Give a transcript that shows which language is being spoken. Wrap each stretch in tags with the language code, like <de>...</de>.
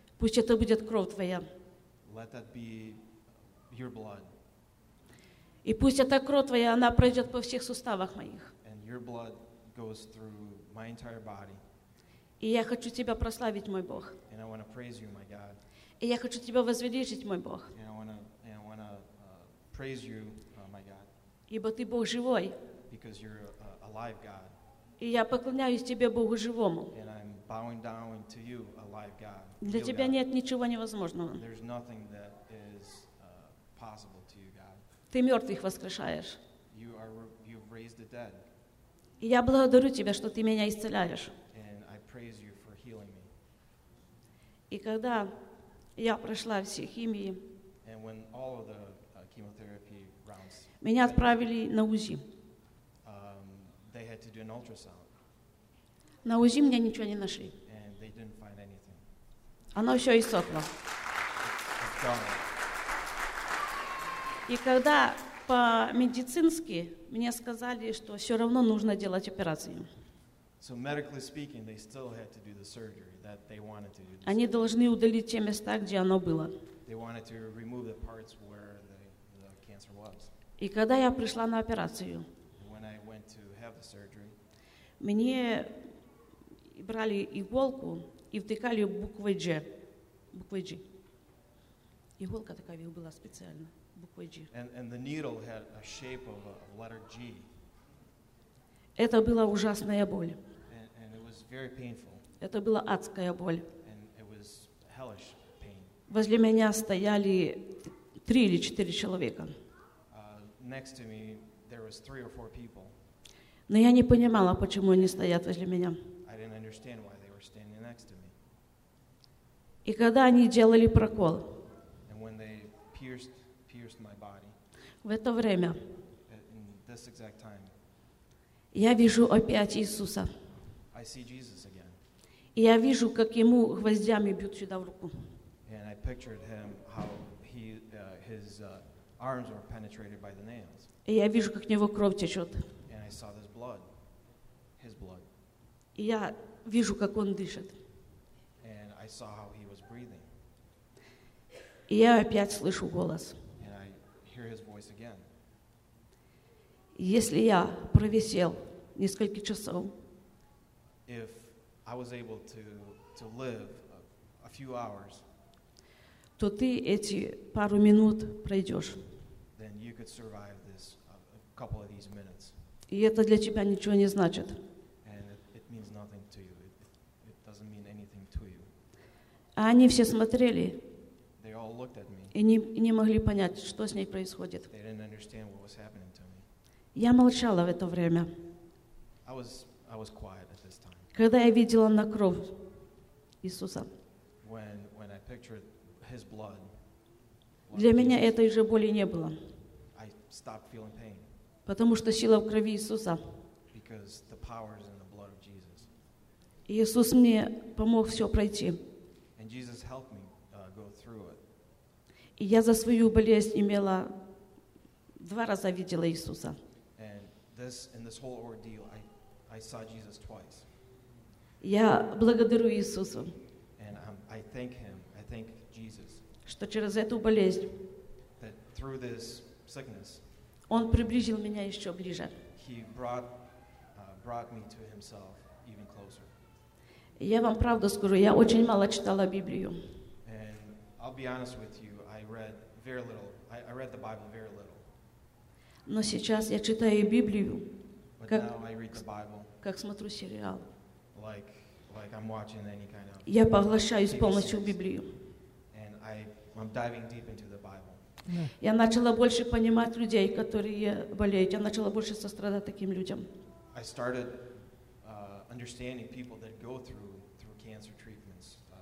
<ru>Пусть это будет кровь твоя.</ru> <en>Let that be your blood.</en> <ru>И пусть эта кровь твоя, она пройдет по всех суставах моих.</ru> <en>And your blood goes through my entire body.</en> <ru>И я хочу тебя прославить, мой Бог.</ru> <en>And I want to praise you, my God.</en> <ru>И я хочу тебя возвеличить, мой Бог.</ru> <en>And I want to praise you, my God.</en> <ru>Ибо ты Бог живой.</ru> <en>Because you're a live God.</en> <ru>И я поклоняюсь тебе, Богу живому.</ru> <en>And I'm bowing down to you, a live God.</en> <ru>Для тебя нет ничего невозможного.</ru> <en>There's nothing that is possible to you, God.</en> <ru>Ты мертвых воскрешаешь.</ru> <en>You've raised the dead.</en> <ru>И я благодарю тебя, что ты меня исцеляешь.</ru> <en>And I praise you for healing me.</en> <ru>И когда я прошла все химии,</ru> <en>and when all of the chemotherapy rounds,</en> <ru>меня отправили на УЗИ.</ru> <en>They had to do an ultrasound.</en> <ru>На УЗИ меня ничего не нашли.</ru> <en>And they didn't find anything.</en> <ru>Оно все иссохло.</ru> <en>It's gone.</en> <ru>И когда по-медицински мне сказали, что все равно нужно делать операцию.</ru> <en>So medically speaking, they still had to do the surgery that they wanted to do.</en> <ru>Они должны удалить те места, где оно было.</ru> <en>They wanted to remove the parts where the cancer was.</en> <ru>И когда я пришла на операцию,</ru> <en>when I went to have the surgery,</en> <ru>мне брали иголку и втыкали буквой G. Буквой G. Иголка такая была специально. Буквой G.</ru> <en>And the needle had a shape of a letter G.</en> <ru>Это была ужасная боль.</ru> <en>And it was very painful.</en> <ru>Это была адская боль.</ru> <en>And it was hellish pain.</en> <ru>Возле меня стояли три или четыре человека.</ru> <en>Next to me, there was three or four people.</en> <ru>Но я не понимала, почему они стоят возле меня.</ru> <en>I didn't understand why they were standing next to me.</en> <ru>И когда они делали прокол,</ru> <en>and when they pierced my body,</en> <ru>в это время,</ru> <en>in this exact time,</en> <ru>я вижу опять Иисуса.</ru> <en>I see Jesus again.</en> <ru>И я вижу, как ему гвоздями бьют сюда в руку.</ru> <en>And I pictured him how he his arms were penetrated by the nails.</en> <ru>И я вижу, как у него кровь течет.</ru> <en>And I saw this blood, his blood.</en> <ru>И я вижу, как он дышит.</ru> <en>And I saw how he was breathing.</en> <ru>И я опять слышу голос.</ru> <en>And I hear his voice again.</en> <ru>Если я провисел несколько часов,</ru> <en>if I was able to live a few hours,</en> <ru>то ты эти пару минут пройдешь.</ru> <en>Then you could survive this a couple of these minutes.</en> <ru>И это для тебя ничего не значит.</ru> <en>And it means nothing to you. It doesn't mean anything to you.</en> <ru>А они все смотрели.</ru> <en>They all looked at me.</en> <ru>И не могли понять, что с ней происходит.</ru> <en>They didn't understand what was happening to me.</en> <ru>Я молчала в это время.</ru> <en>I was quiet at this time.</en> <ru>Когда я видела на кровь Иисуса.</ru> <en>When I pictured his blood.</en> <ru>Для меня этой же боли не было.</ru> <en>I stopped feeling pain.</en> <ru>Потому что сила в крови Иисуса.</ru> <en>Because the power is in the blood of Jesus.</en> <ru>Иисус мне помог все пройти.</ru> <en>And Jesus helped me go through it.</en> <ru>И я за свою болезнь имела два раза видела Иисуса.</ru> <en>And this, in this whole ordeal, I saw Jesus twice.</en> <ru>Я благодарю Иисуса.</ru> <en>And I thank him. I thank Jesus.</en> <ru>Что через эту болезнь.</ru> <en>That through this sickness.</en> <ru>Он приблизил меня еще ближе.</ru> <en>He brought me to himself even closer.</en> <ru>Я вам правду скажу, я очень мало читала Библию.</ru> <en>And I'll be honest with you, I read very little. I read the Bible very little.</en> <ru>Но сейчас я читаю Библию,</ru> <en>but</en> <ru>как,</ru> <en>now I read the Bible,</en> <ru>как смотрю сериал.</ru> <en>Like I'm watching any kind of.</en> <ru>Я поглощаюсь полностью в Библию.</ru> <en>And I'm diving deep into the Bible.</en> <ru>Я начала больше понимать людей, которые болеют. Я начала больше сострадать таким людям.</ru> <en>I started understanding people that go through cancer treatments.</en>